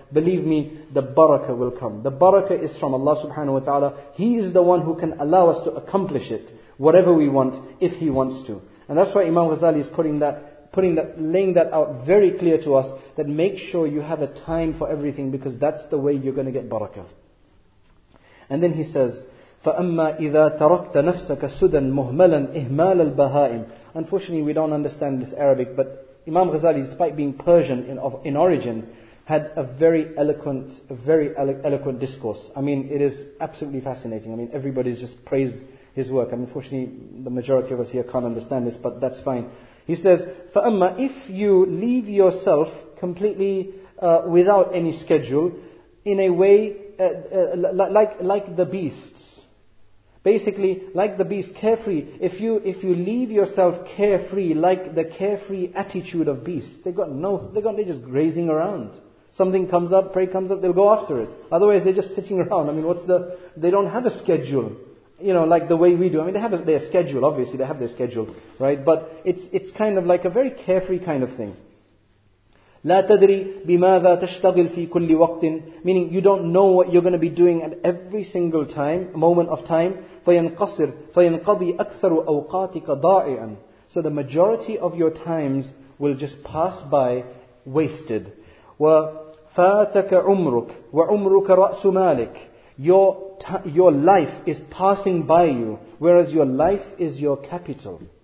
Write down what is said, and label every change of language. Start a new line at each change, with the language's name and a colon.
English: Believe me, the barakah will come. The barakah is from Allah subhanahu wa ta'ala. He is the one who can allow us to accomplish it, whatever we want, if He wants to. And that's why Imam Ghazali is laying that out very clear to us, that make sure you have a time for everything, because that's the way you're going to get barakah.
Arabic: And then he says, فَأَمَّا إِذَا تَرَكْتَ نَفْسَكَ سُدًا مُهْمَلًا إِهْمَالَ الْبَهَائِمِ.
English: Unfortunately, we don't understand this Arabic, but Imam Ghazali, despite being Persian in origin, had a very eloquent discourse. I mean, it is absolutely fascinating. I mean, everybody's just praised his work. I mean, unfortunately, the majority of us here can't understand this, but that's fine. He says, فَأَمَّا if you leave yourself completely without any schedule, in a way, like the beasts. Basically, like the beasts, carefree. If you leave yourself carefree, like the carefree attitude of beasts, they're just grazing around. Something comes up, prey comes up, they'll go after it. Otherwise, they're just sitting around. I mean, they don't have a schedule. You know, like the way we do. I mean, they have their schedule, obviously, they have their schedule, right? But it's kind of like a very carefree kind of thing.
Arabic: لَا تَدْرِي بِمَاذَا تَشْتَغِلْ فِي كُلِّ وَقْتٍ.
English: Meaning, you don't know what you're going to be doing at every single time, moment of time.
Arabic: فَيَنْقَصِرْ فَيَنْقَضِي أَكْثَرُ أَوْقَاتِكَ ضَائِعًا.
English: So the majority of your times will just pass by wasted.
Arabic: وَفَاتَكَ عُمْرُكَ وَعُمْرُكَ رَأْسُ مَالِكَ.
English: Your life is passing by you, whereas your life is your capital.